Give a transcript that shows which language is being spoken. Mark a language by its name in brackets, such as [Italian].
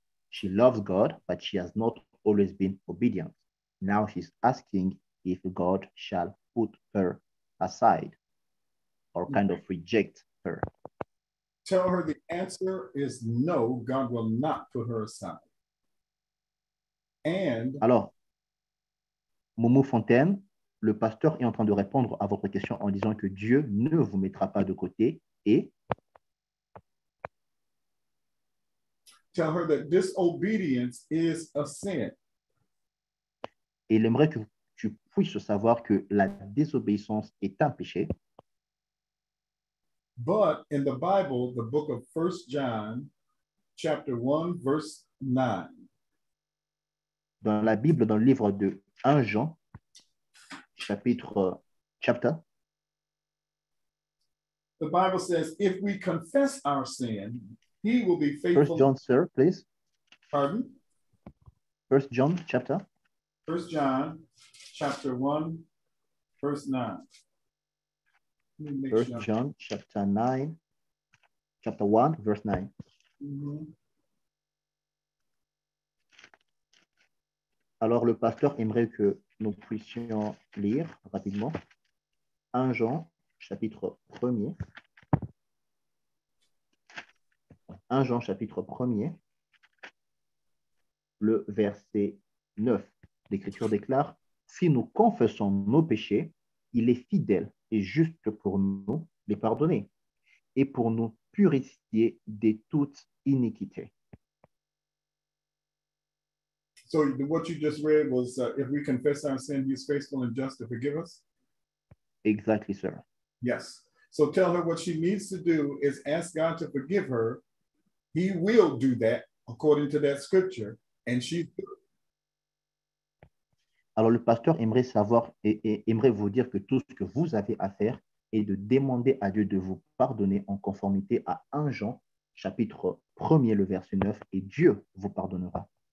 [English] She loves God, but she has not always been obedient. Now she's asking if God shall put her aside or kind of reject her. Tell her the answer is no, God will not put her aside. And [French] alors, Mumu Fontaine, le pasteur est en train de répondre à votre question en disant que Dieu ne vous mettra pas de côté et [English] tell her that disobedience is a sin. [French] Et il aimerait que tu puisses savoir que la désobéissance est un péché. [English] But in the Bible, the book of 1 John, chapter 1, verse 9. [French] Dans la Bible, dans le livre de 1 Jean, chapter. [English] The Bible says, if we confess our sin, he will be faithful. 1 John, sir, please. Pardon? 1 John, chapter. 1 John, chapter 1, verse 9. 1 John chapter 9, chapter 1, verse 9. [French] Alors, le pasteur aimerait que nous puissions lire rapidement 1 Jean chapitre 1er. 1 Jean chapitre 1er, le verset 9. L'Écriture déclare, si nous confessons nos péchés, il est fidèle et juste pour nous les pardonner et pour nous purifier de toute iniquité. [English] So what you just read was if we confess our sin, he is faithful and just to forgive us? Exactly, sir. Yes. So tell her what she needs to do is ask God to forgive her. He will do that according to that scripture, and she. [French] Alors, le pasteur aimerait savoir et aimerait vous dire que tout ce que vous avez à faire est de demander à Dieu de vous pardonner en conformité à 1 Jean, chapitre 1er, le verset 9, et Dieu vous pardonnera.